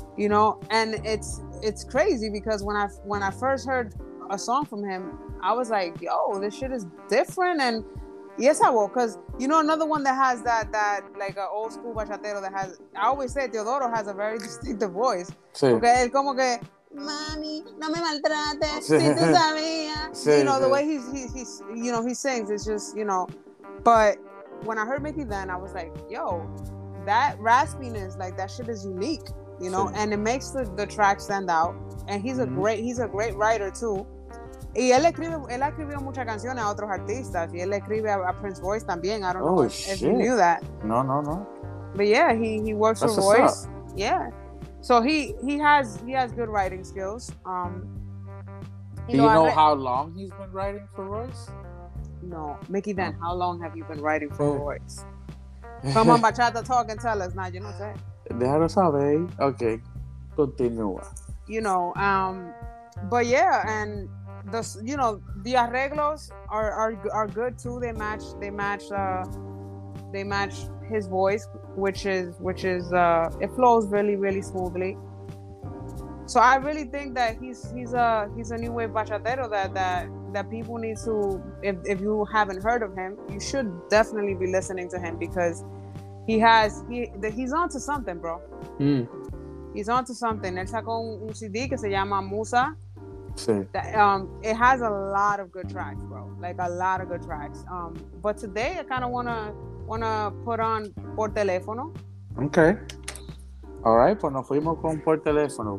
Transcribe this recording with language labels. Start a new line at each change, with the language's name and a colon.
English: You know, and it's crazy because when I first heard a song from him, I was like, yo, this shit is different. And yes, I will, because, you know, another one that has that like an old school bachatero that has, I always say Teodoro has a very distinctive voice.
Spanish: Sí. Okay, él como que, mami, no me maltrates, sí. Si tú sabías.
English: Sí, you know, the sí. Way he's you know, he sings, it's just, you know. But when I heard Mickey Then, I was like, yo, that raspiness, like, that shit is unique, you know. Sí. And it makes the track stand out. And he's mm-hmm. a great writer, too.
Spanish: Y él escribió muchas canciones a otros artistas. Y él escribe a Prince Royce también.
English: I don't know if you knew that.
Spanish: No.
English: But yeah, he works for Royce. Yeah. So he has good writing skills. How long he's been writing for Royce? No. Mickey Then, how long have you been writing for Royce? Come on, Bachata Talk and tell us. Nah, you know what I'm saying?
Spanish: Déjalo saber. Okay. Continúa.
English: You know, but yeah, and the, you know, the arreglos are good too. They match his voice, which is it flows really, really smoothly. So I really think that he's a new wave bachatero that people need to, if you haven't heard of him, you should definitely be listening to him, because he's onto something, bro. Mm. He's onto something.
Spanish: Él sacó un CD que se llama Musa.
English: It has a lot of good tracks, bro. Like a lot of good tracks. But today I kind of wanna put on Por Teléfono. Okay.
Spanish: All right, pues nos fuimos con Por Teléfono.